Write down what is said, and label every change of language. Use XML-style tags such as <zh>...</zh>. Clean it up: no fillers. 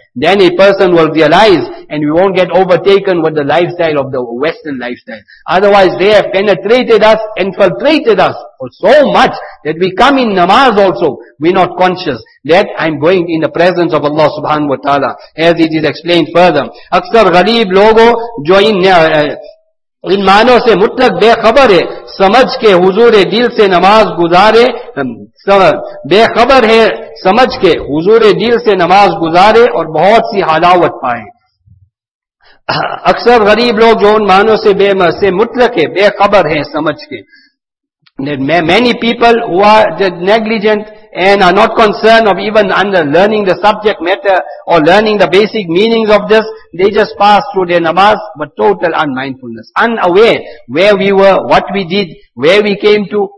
<en>Then a person will realize, and we won't get overtaken with the lifestyle of the Western lifestyle. Otherwise they have penetrated us, infiltrated us so much that we come in namaz also, we're not conscious that I'm going in the presence of Allah subhanahu wa ta'ala, as it is explained further.</en> <ur>Aksar ghareeb logo jo in ان معنوں سے مطلق بے خبر ہے, سمجھ کے حضور دل سے نماز گزارے, بے خبر ہے سمجھ کے حضور دل سے نماز گزارے اور بہت سی حلاوت پائیں. اکثر غریب لوگ جو ان معنوں سے مطلق ہے, بے خبر ہیں سمجھ کے,</ur> <en>many people who are negligent and are not concerned of even under learning the subject matter or learning the basic meanings of this, they just pass through their namaz but total unmindfulness, unaware where we were, what we did, where we came to.</en>